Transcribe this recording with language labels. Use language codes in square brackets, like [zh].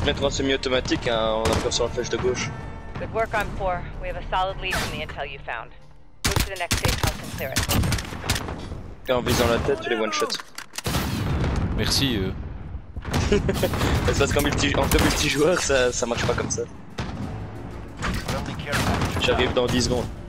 [fr] Semi-automatique, hein, on appuie sur la flèche de gauche. [en] Good work on 4. We have a solid lead from the intel you found. Move to the next safe house and clear it. [fr] Et en visant la tête, tu les one shot. Merci. C'est parce qu'en multijoueur, ça marche pas comme ça. J'arrive dans 10 secondes.